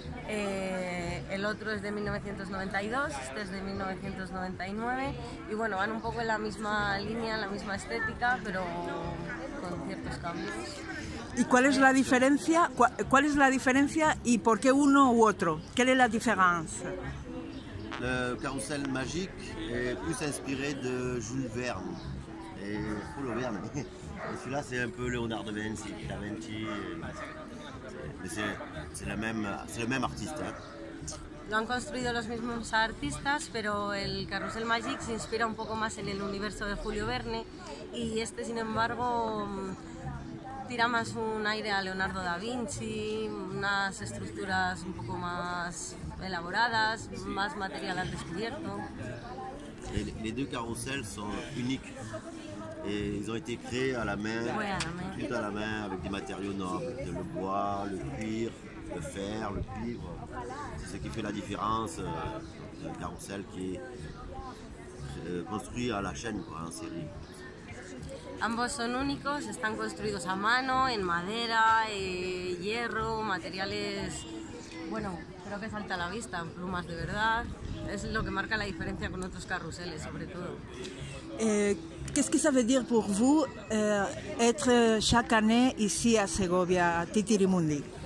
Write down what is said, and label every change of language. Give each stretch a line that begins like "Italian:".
Spanish: El otro es de 1992, este es de 1999. Y bueno, van un poco en la misma línea, en la misma estética, pero con ciertos cambios. ¿Y cuál es la diferencia? ¿Cuál es la diferencia y por qué uno u otro? ¿Qué es la diferencia?
French: Le carrousel magique est plus inspiré de Jules Verne. Et Jules Verne. Et celui-là, c'est un peu Léonard de Vinci, Da Vinci. Mais c'est le même artiste. Hein.
Spanish: Lo han construido los mismos artistas, pero el carrusel Magic se inspira un poco más en el universo de Julio Verne. Y este, sin embargo, tira más un aire a Leonardo da Vinci, unas estructuras un poco más elaboradas, más material al descubierto.
French: Les deux carrousels sont uniques et ils ont été créés à la main, tout à la main, avec des matériaux nobles, le bois, le cuir, le fer, le cuivre. C'est ce qui fait la différence d'un carrousel qui est construit à la chaîne, quoi, en série.
Spanish: Ambos son únicos, están construidos a mano, en madera, hierro, materiales, bueno, creo que salta a la vista, plumas de verdad. Es lo que marca la diferencia con otros carruseles, sobre todo. ¿Qué quiere decir para usted estar cada año aquí en Segovia, Titirimundi?